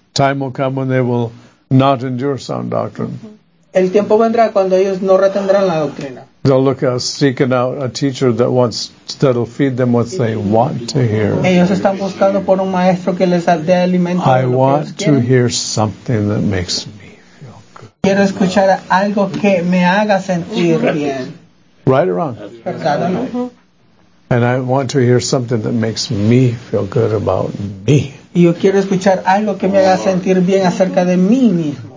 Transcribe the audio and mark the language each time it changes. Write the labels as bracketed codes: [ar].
[en] Time will come when they will not endure sound doctrine. Mm-hmm. [es] El tiempo vendrá cuando ellos no retendrán la doctrina. [en] They'll look at seeking out a teacher that wants that'll feed them what they want to hear. [es] Ellos están buscando por un maestro que les dé alimento. [en] I want to hear something that makes me feel good. [es] Quiero escuchar algo que me haga sentir bien. [en] Right or wrong? [es] ¿Verdad o no? [en] And I want to hear something that makes me feel good about me. [es] Y yo quiero escuchar algo que me haga sentir bien acerca de mí mismo.